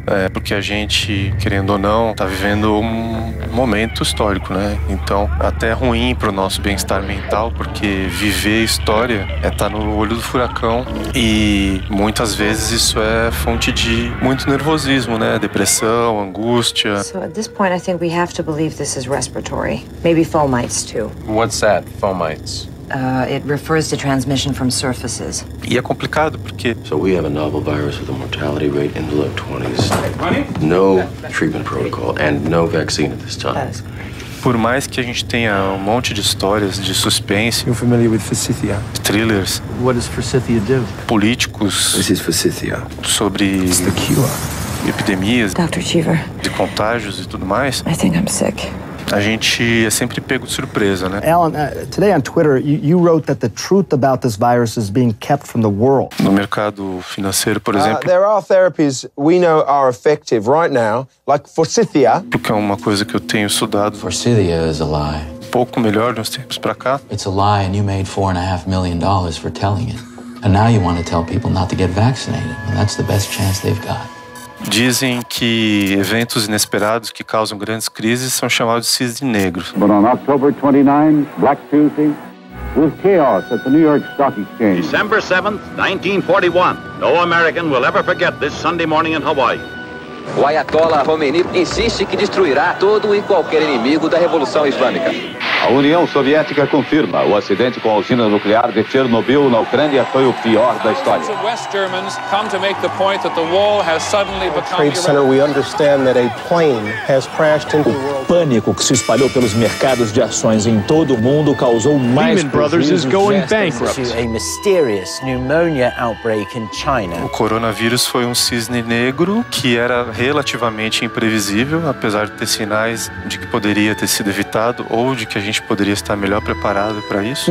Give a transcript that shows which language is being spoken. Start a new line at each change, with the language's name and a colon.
Portuguese: É, porque a gente, querendo ou não, está vivendo um momento histórico, né? Então, até ruim para o nosso bem-estar mental, porque viver história é estar no olho do furacão. E muitas vezes isso é fonte de muito nervosismo, né? Depressão, angústia.
English: So, at this point, I think we have to believe this is respiratory. Maybe fomites too. What's that, fomites? It refers to transmission from surfaces.
Portuguese: E é complicado porque...
English: So we have a novel virus with a mortality rate in the low 20s. 20? No treatment protocol and no vaccine at this time. That is great.
Portuguese: Por mais que a gente tenha um monte de histórias de suspense...
English: You're familiar with Forsythia?
Portuguese: Thrillers.
English: What does Forsythia do?
Portuguese: Políticos...
English: This is Forsythia.
Portuguese: Sobre...
English: It's the cure.
Portuguese: Epidemias...
English: Dr. Cheever.
Portuguese: De contágios e tudo mais...
English: I think I'm sick.
Portuguese: A gente é sempre pego de surpresa, né?
English: Alan, today on Twitter, you wrote that the truth about this virus is being kept from the world.
Portuguese: No mercado financeiro, por exemplo.
English: There are therapies we know are effective right now, like Forsythia.
Portuguese: Porque é uma coisa que eu tenho estudado.
English: Forsythia is a lie.
Portuguese: Um pouco melhor nos tempos pra cá.
English: It's a lie and you made $4.5 million for telling it. And now you want to tell people not to get vaccinated. And that's the best chance they've got.
Portuguese: Dizem que eventos inesperados que causam grandes crises são chamados de cisne negro.
English: But on October 29, Black Tuesday, with chaos at the New York Stock Exchange. December 7th, 1941. No American will ever forget this Sunday morning in Hawaii.
Portuguese: O Ayatollah Khomeini insiste que destruirá todo e qualquer inimigo da Revolução Islâmica. A União Soviética confirma, o acidente com a usina nuclear de Chernobyl na Ucrânia foi o pior da história.
English: The West Germans come to make the point that the wall has suddenly become the Trade Center, we understand that a plane has crashed into the world.
Portuguese: O pânico que se espalhou pelos mercados de ações em todo o mundo causou mais
English: Lehman Brothers is going bankrupt. A mysterious pneumonia outbreak in China.
Portuguese: O coronavírus foi um cisne negro que era relativamente imprevisível, apesar de ter sinais de que poderia ter sido evitado ou de que a gente poderia estar melhor preparado para isso.